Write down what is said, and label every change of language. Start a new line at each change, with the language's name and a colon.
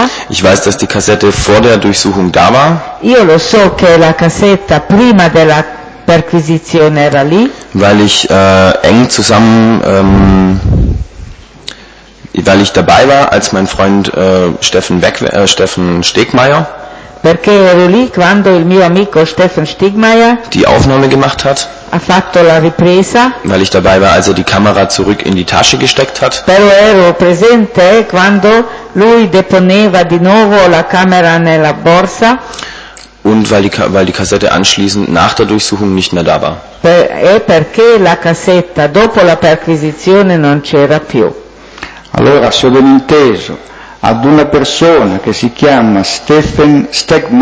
German: Ich weiß, dass die Kassette vor der Durchsuchung da war.
Italian: Io lo so che la cassetta prima della perquisizione era lì.
German: Weil ich eng zusammen, weil ich dabei war, als mein Freund Steffen Stegmeier.
Italian: Perché ero lì quando il mio amico Stefan Stiegmeier
German: die Aufnahme gemacht hat,
Italian: ha fatto la ripresa,
German: weil ich dabei war, als die Kamera zurück in die Tasche gesteckt hat.
Italian: Però ero presente quando lui deponeva di nuovo la camera nella borsa.
German: Und weil die Kassette anschließend nach der Durchsuchung nicht mehr da war.
Italian: E perché la cassetta dopo la perquisizione non c'era più. Allora, se ho ben inteso, ad una persona che si chiama Stephen Stegmann